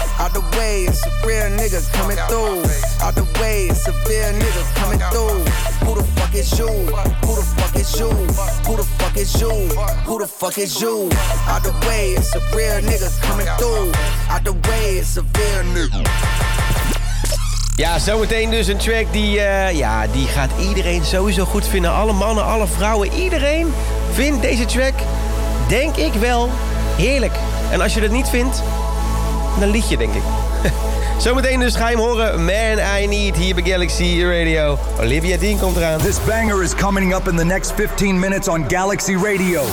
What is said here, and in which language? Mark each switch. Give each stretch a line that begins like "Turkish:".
English: Out the way, it's a real nigga coming through. Out the way, it's a real nigga coming through. Who the fuck is you? Who the fuck is you? Who the fuck is you? Who the fuck is you? Out the way, it's a real nigga coming through. Out the way, it's a real nigga.
Dutch: Ja, zometeen dus een track die, ja, die gaat iedereen sowieso goed vinden. Alle mannen, alle vrouwen, iedereen vindt deze track, denk ik wel, heerlijk. En als je dat niet vindt, dan lieg je, denk ik. Zometeen dus ga je hem horen, Man I Need, hier bij Galaxy Radio. Olivia Dean komt eraan.
English: This banger is coming up in the next 15 minutes on Galaxy Radio.